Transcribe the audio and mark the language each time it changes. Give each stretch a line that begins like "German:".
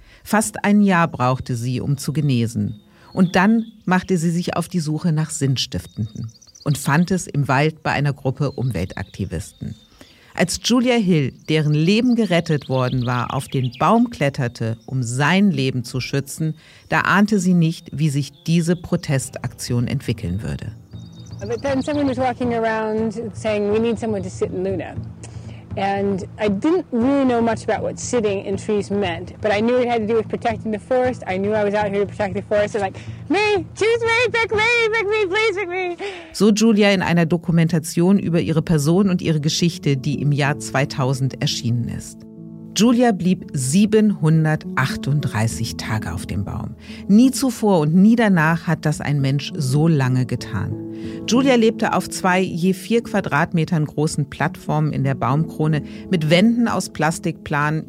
German: Fast ein Jahr brauchte sie, um zu genesen. Und dann machte sie sich auf die Suche nach Sinnstiftenden und fand es im Wald bei einer Gruppe Umweltaktivisten. Als Julia Hill, deren Leben gerettet worden war, auf den Baum kletterte, um sein Leben zu schützen, da ahnte sie nicht, wie sich diese Protestaktion entwickeln würde.
English: But then someone was walking around saying, we need someone to sit in Luna. And I didn't really know much about what sitting in trees meant, but I knew it had to do with protecting the forest. I knew I was out here to protect the forest. And like, me, choose me, pick me, please pick me.
German: So Julia in einer Dokumentation über ihre Person und ihre Geschichte, die im Jahr 2000 erschienen ist. Julia blieb 738 Tage auf dem Baum. Nie zuvor und nie danach hat das ein Mensch so lange getan. Julia lebte auf 2 je 4 Quadratmetern großen Plattformen in der Baumkrone mit Wänden aus Plastikplanen.